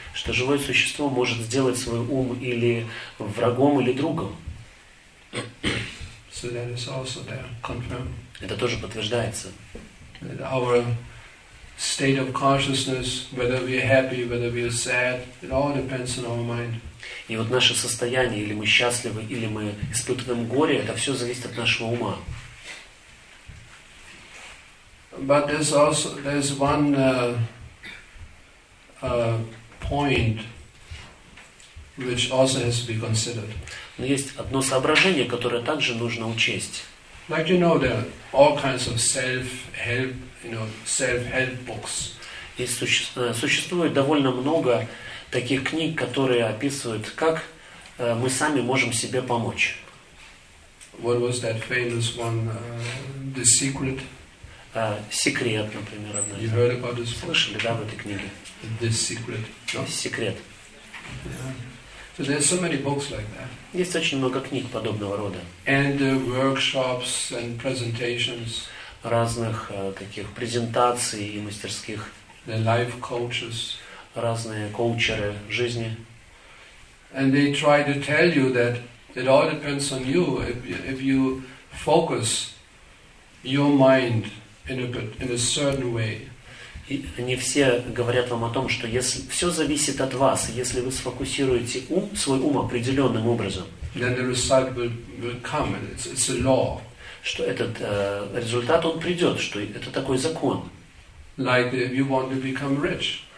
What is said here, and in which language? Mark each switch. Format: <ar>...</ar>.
<ru>Что живое существо может сделать свой ум или врагом, или другом.</ru> <en>So that is also there, confirmed.</en> <ru>Это тоже подтверждается.</ru> <en>Our state of consciousness, whether we are happy, whether we are sad, it all depends on our mind.</en> <ru>И вот наше состояние, или мы счастливы, или мы испытываем горе, это все зависит от нашего ума.</ru> <en>But there's one point which also has to be considered.</en> <ru>Но есть одно соображение, которое также нужно учесть.</ru> <en>Like you know, there are all kinds of self-help, you know, self-help books.</en> <ru>И существует довольно много таких книг, которые описывают, как мы сами можем себе помочь.</ru> <en>What was that famous one, The Secret?</en> <ru>Секрет, например, одна.</ru> <en>You heard about this?</en> <ru>Слышали, да, в этой книге?</ru> <en>The Secret.</en> <ru>Секрет.</ru> <en>So there's so many books like that.</en> <ru>Есть очень много книг подобного рода.</ru> <en>And workshops and presentations.</en> <ru>Разных таких презентаций и мастерских.</ru> <en>The life coaches.</en> <ru>Разные коучеры жизни.</ru> <en>And they try to tell you that it all depends on you. If you focus your mind in a certain way.</en> <ru>И они все говорят вам о том, что если все зависит от вас, если вы сфокусируете ум, свой ум определенным образом,</ru> <en>then the result will come. It's a law.</en> <ru>Что этот результат он придет, что это такой закон.</ru> <en>Like if you want to become rich.</en>